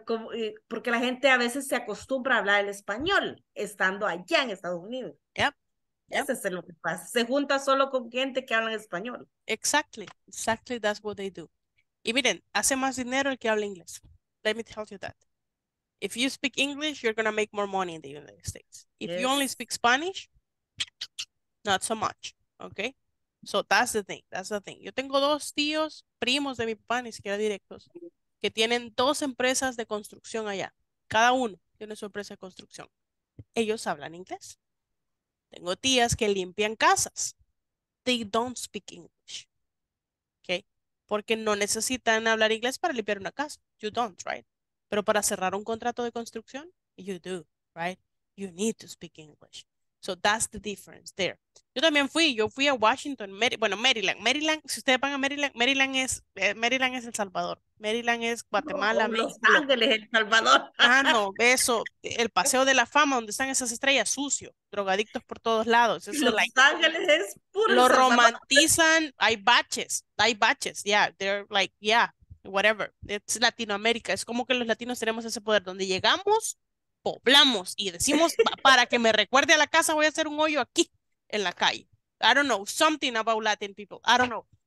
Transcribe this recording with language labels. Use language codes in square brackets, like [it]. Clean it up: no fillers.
[es] Entonces, porque la gente a veces se acostumbra a hablar el español estando allá en Estados Unidos. [en] Yep. [es] Ese es lo que pasa. Se junta solo con gente que habla en español. [en] Exactly, exactly, that's what they do. [es] Y miren, hace más dinero el que habla inglés. [en] Let me tell you that. If you speak English, you're going to make more money in the United States. If yes. you only speak Spanish, not so much, okay? So that's the thing, that's the thing. [es] Yo tengo dos tíos, primos de mi papá, ni siquiera directos, que tienen dos empresas de construcción allá. Cada uno tiene su empresa de construcción. Ellos hablan inglés. Tengo tías que limpian casas. [en] They don't speak English, okay? [es] Porque no necesitan hablar inglés para limpiar una casa. [en] You don't, right? [es] Pero para cerrar un contrato de construcción, [en] you do, right? You need to speak English. So that's the difference there. [es] Yo también fui. Yo fui a Washington. Maryland. Maryland, si ustedes van a Maryland, Maryland es El Salvador. Maryland es Guatemala. No, Los Ángeles, El Salvador. Ah, no, eso. El Paseo de la Fama, donde están esas estrellas, sucio. Drogadictos por todos lados. Eso, Los [en] like, [es] Ángeles es puro. Lo romantizan. Hay baches. [en] Yeah, they're like, yeah, whatever. It's Latinoamérica. [es] Es como que los latinos tenemos ese poder. Donde llegamos, poblamos y decimos, para que me recuerde a la casa, voy a hacer un hoyo aquí en la calle. [en] I don't know, something about Latin people, I don't know.